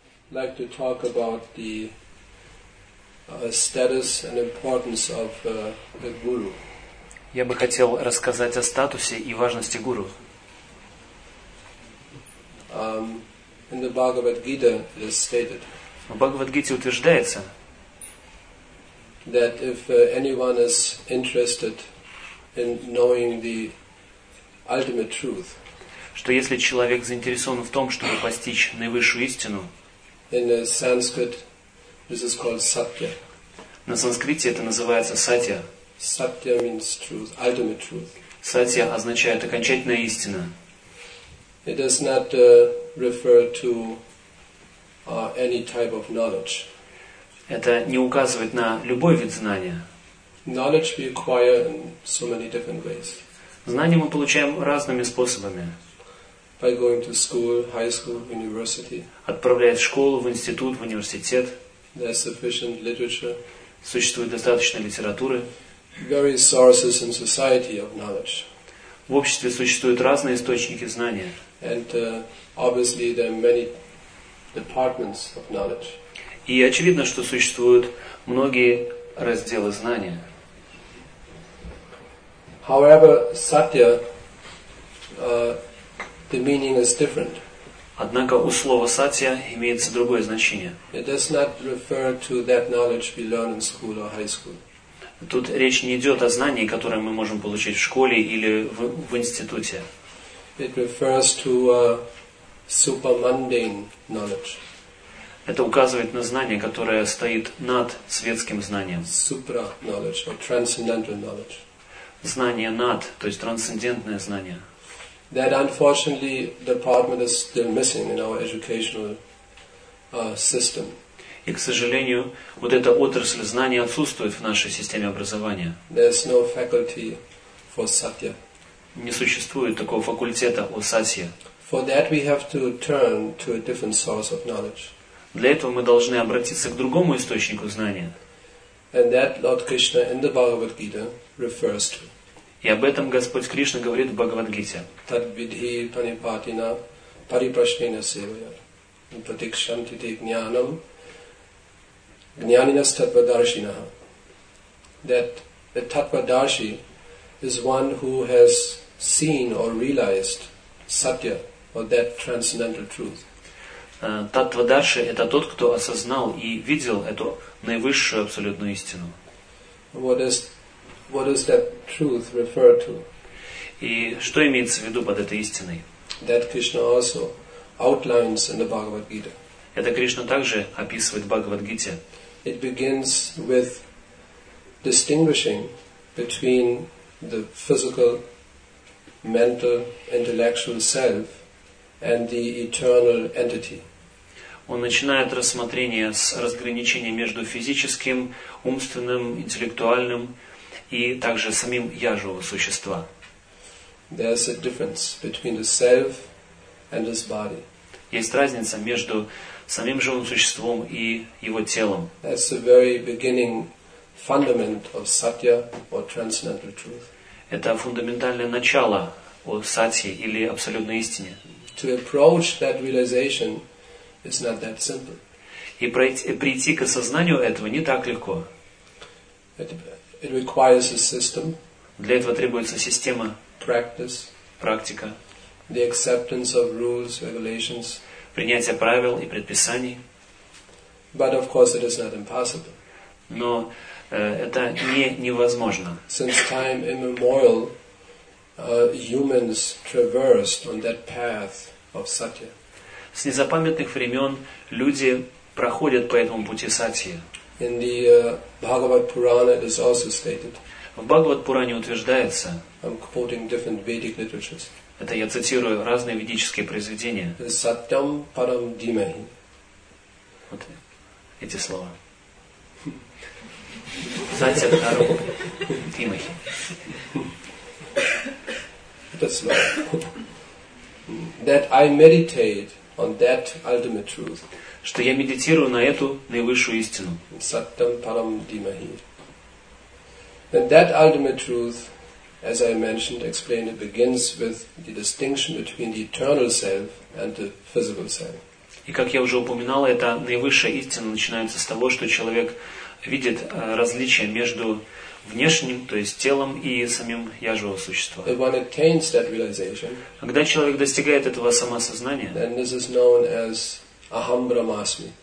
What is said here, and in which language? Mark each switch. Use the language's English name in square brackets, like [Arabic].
[English] like to talk about the status and importance of the guru. [Russian] Я бы хотел рассказать о статусе и важности гуру. [English] In the Bhagavad Gita it is stated. [Russian] В Бхагавад-гите утверждается, [English] that if anyone is interested in knowing the ultimate truth, [Russian] что если человек заинтересован в том, чтобы постичь наивысшую истину, [English] in Sanskrit this is called satya. [Russian] На санскрите это называется сатья. [English] Satya means truth, ultimate truth. [Russian] Сатья означает окончательная истина. [English] It does not refer to any type of knowledge. [Russian] Это не указывает на любой вид знания. [English] Knowledge we acquire in so many different ways. [Russian] Знания мы получаем разными способами. [English] By going to school, high school, university. [Russian] Отправляясь в школу, в институт, в университет. [English] There's sufficient literature. [Russian] Существует достаточно литературы. [English] Various sources in society of knowledge. [Russian] В обществе существуют разные источники знания. [English] And obviously there are many departments of knowledge. [Russian] И очевидно, что существуют многие разделы знания. [English] However, satya, the meaning is different. [Russian] Однако у слова сатья имеется другое значение. [English] It does not refer to that knowledge we learn in school or high school. [Russian] Тут речь не идет о знании, которое мы можем получить в школе или в институте. [English] It refers to supermundane knowledge. [Russian] Это указывает на знание, которое стоит над светским знанием. [English] Supra knowledge or transcendental knowledge. [Russian] Знание над, то есть трансцендентное знание. [English] That unfortunately department is still missing in our educational system. [Russian] И, к сожалению, вот эта отрасль знания отсутствует в нашей системе образования. [English] There's no faculty for satya. [Russian] Не существует такого факультета о сатье. [English] For that we have to turn to a different source of knowledge. [Russian] Для этого мы должны обратиться к другому источнику знания. [English] And that Lord Krishna in the Bhagavad Gita refers to. [Russian] И об этом Господь Кришна говорит в Бхагавад-гите. [Sanskrit] Tad vidhi panipatina pariprashnena sevaya pratikshanti te jnanam jnaninas tattvadarshinaha. [English] That a tattvadarshi is one who has seen or realized satya or that transcendental truth. [Russian] Таттва-дарши – это тот, кто осознал и видел эту наивысшую абсолютную истину. [English] What is that truth refer to? [Russian] И что имеется в виду под этой истиной? [English] That Krishna also outlines in the Bhagavad Gita. [Russian] Это Кришна также описывает в Бхагавад-гите. [English] It begins with distinguishing between the physical, mental, intellectual self and the eternal entity. [Russian] Он начинает рассмотрение с разграничения между физическим, умственным, интеллектуальным и также самим я живого существа. [English] There's a difference between the self and his body. [Russian] Есть разница между самим живым существом и его телом. [English] That's the very beginning fundament of satya or transcendental truth. [Russian] Это фундаментальное начало о сатье или абсолютной истине. [English] To approach that realization. It's not that simple. [Russian] И прийти к осознанию этого не так легко. [English] It requires a system. [Russian] Для этого требуется система. [English] Practice. [Russian] Практика. [English] The acceptance of rules, regulations. [Russian] Принятие правил и предписаний. [English] But of course it is not impossible. [Russian] Но это не невозможно. [English] Since time immemorial, humans traversed on that path of satya. [Russian] С незапамятных времен люди проходят по этому пути сатьи. [English] In the Bhagavad Purana it is also stated. [Russian] В Бхагавад Пуране утверждается. [English] I'm quoting different Vedic literatures. [Russian] Это я цитирую разные ведические произведения. [Sanskrit] Satyam param dhimahi. [Russian] Вот эти слова. [Sanskrit] Satyam param dhimahi. [Russian] Это слово. [English] That I meditate on that ultimate truth. [Russian] Что я медитирую на эту наивысшую истину. [Sanskrit] Саттам парам димахи. [English] And that ultimate truth, as I mentioned, explained, it begins with the distinction between the eternal self and the physical self. [Russian] И как я уже упоминал, эта наивысшая истина начинается с того, что человек видит различие между внешним, то есть телом, и самим я живого существа. Когда человек достигает этого самосознания, [English] then this is known as aham brahmasmi.